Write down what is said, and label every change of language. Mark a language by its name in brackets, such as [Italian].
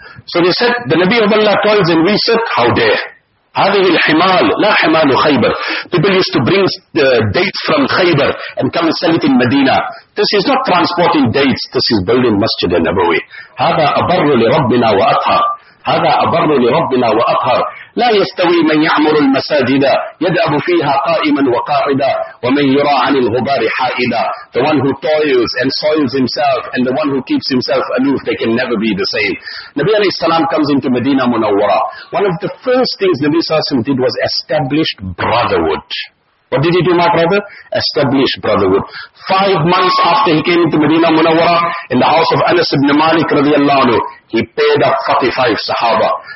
[English] So they said, the Nabi of Allah calls and we said, how dare? [Arabic] هذه الحمال لا حمال خيبر. [English] People used to bring dates from Khaybar and come and sell it in Medina. This is not transporting dates. This is building Masjid al-Nabawi. [Arabic] هذا أبر لربنا وأطهر. هذا أبر لربنا وأطهر. لا يستوي من يعمر المساجد يدأب فيها قائما وقاعدا ومن يرى عن الغبار حائدا. [English] The one who toils and soils himself and the one who keeps himself aloof, they can never be the same. Nabi alayhi salam comes into Medina Munawwara. One of the first things Nabi sallallahu alayhi wasallam did was established brotherhood. What did he do, my brother? Established brotherhood. 5 months after he came into Medina Munawwara, in the house of Anas ibn Malik radiallahu anhu, he paid up 45 sahaba.